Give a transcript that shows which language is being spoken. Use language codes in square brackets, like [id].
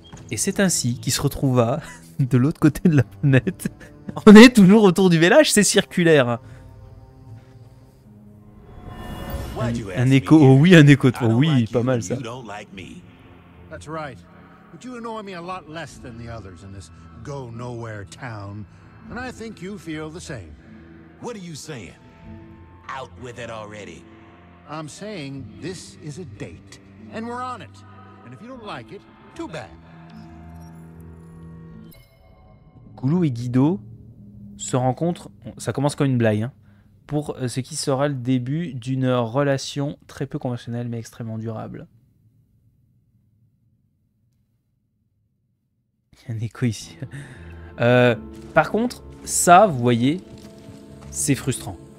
[fr] Et c'est ainsi qu'il se retrouva de l'autre côté de la planète. On est toujours autour du village, c'est circulaire. Un écho, oh oui, un écho de force, oh oui, pas mal ça. [en] That's right. But you annoy me a lot less than the others in this go-nowhere town. And I think you feel the same. What are you saying? Out with it already. I'm saying this is a date. And we're on it. And if you don't like it, too bad. [fr] Goulou et Guido se rencontrent, ça commence comme une blague, hein, pour ce qui sera le début d'une relation très peu conventionnelle mais extrêmement durable. Un écho ici. Par contre, ça, vous voyez, c'est frustrant.